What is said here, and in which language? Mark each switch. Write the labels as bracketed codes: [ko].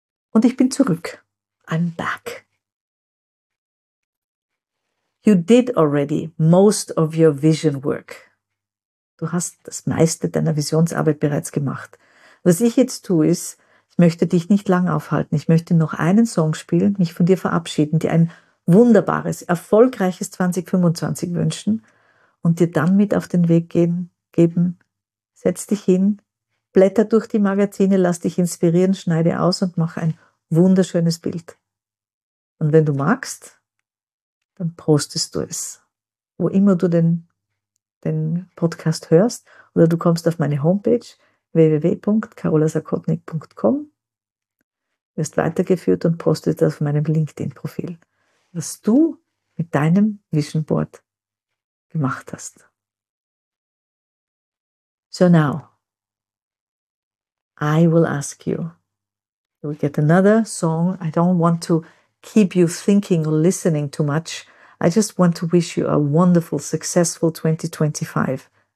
[de] Und ich bin zurück. [en] I'm back. You did already most of your vision work. [de] Du hast das meiste deiner Visionsarbeit bereits gemacht. Was ich jetzt tue ist, ich möchte dich nicht lang aufhalten. Ich möchte noch einen Song spielen, mich von dir verabschieden, dir ein wunderbares, erfolgreiches 2025 wünschen und dir dann mit auf den Weg geben. Setz dich hin, blätter durch die Magazine, lass dich inspirieren, schneide aus und mach ein wunderschönes Bild. Und wenn du magst, dann postest du es. Wo immer du den Podcast hörst oder du kommst auf meine Homepage www.carolasakotnik.com, wirst weitergeführt und postest das auf meinem LinkedIn-Profil, was du mit deinem Vision Board gemacht hast. [en] So now, I will ask you, we get another song. I don't want to keep you thinking or listening too much. I just want to wish you a wonderful, successful 2025.